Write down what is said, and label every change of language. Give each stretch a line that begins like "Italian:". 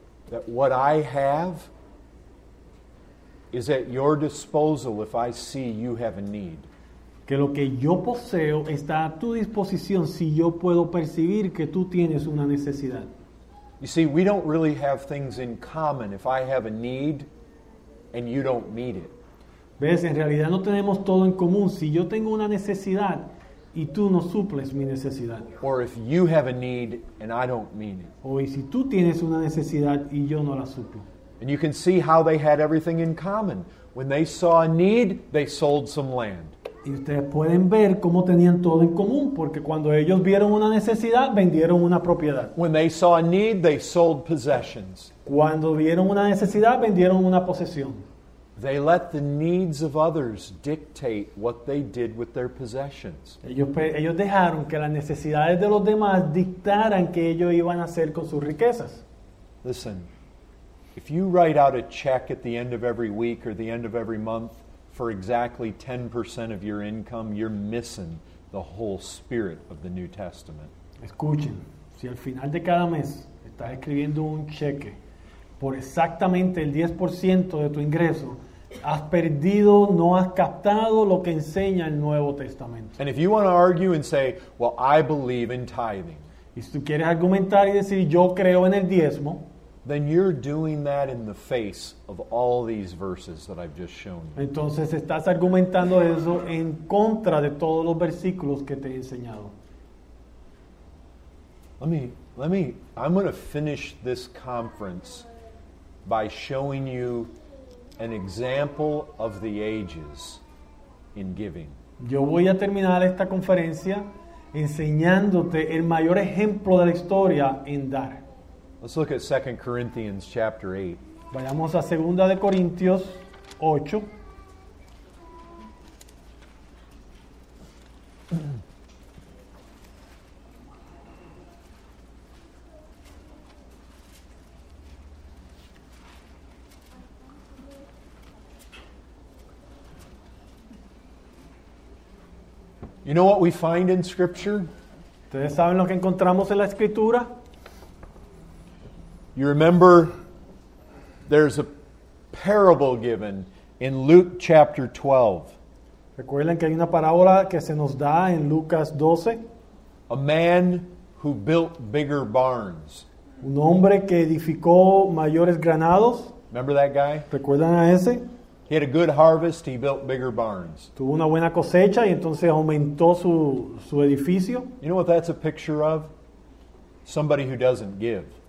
English: That what I have is at your disposal if I see you have a need.
Spanish: Que lo que yo poseo está a tu disposición si yo puedo percibir que tú tienes una necesidad.
English: You see, we don't really have things in common if I have a need and you don't meet it.
Spanish: ¿Ves? En realidad no tenemos todo en común si yo tengo una necesidad y tú no suples mi necesidad.
English: Or if you have a need and I don't meet it.
Spanish: O y si tú tienes una necesidad y yo no la suplo.
English: And you can see how they had everything in common. When they saw a need, they sold some land.
Spanish: Y ustedes pueden ver cómo tenían todo en común, porque cuando ellos vieron una necesidad, vendieron una propiedad.
English: When they saw a need, they sold possessions.
Spanish: Cuando vieron una necesidad, vendieron una posesión.
English: They let the needs of others dictate what they did with their possessions.
Spanish: Ellos dejaron que las necesidades de los demás dictaran qué ellos iban a hacer con sus riquezas.
English: Listen, if you write out a check at the end of every week or the end of every month, for exactly 10% of your income, you're missing the whole spirit of the New Testament.
Spanish: Escuchen, si al final de cada mes estás escribiendo un cheque por exactamente el 10% de tu ingreso, has perdido, no has captado lo que enseña el Nuevo Testamento.
English: And if you want to argue and say, well, I believe in tithing.
Spanish: Y si tú quieres argumentar y decir, yo creo en el diezmo,
English: then you're doing that in the face of all these verses that I've just shown you.
Spanish: Entonces estás argumentando eso en contra de todos los versículos que te he enseñado.
English: I'm going to finish this conference by showing you an example of the ages in giving.
Spanish: Yo voy a terminar esta conferencia enseñándote el mayor ejemplo de la historia en dar.
English: Let's look at 2 Corinthians chapter 8.
Spanish: Vayamos a 2 de Corintios 8.
English: You know what we find in Scripture?
Spanish: ¿Ustedes saben lo que encontramos en la Escritura?
English: You remember there's a parable given in Luke chapter 12.
Spanish: ¿Recuerdan que hay una parábola que se nos da en Lucas 12?
English: A man who built bigger barns.
Spanish: Un hombre que edificó mayores granados.
English: Remember that guy?
Spanish: ¿Recuerdan a ese?
English: He had a good harvest, he built bigger barns.
Spanish: Tuvo una buena cosecha y entonces aumentó su edificio.
English: You know what that's a picture of? Somebody who doesn't give.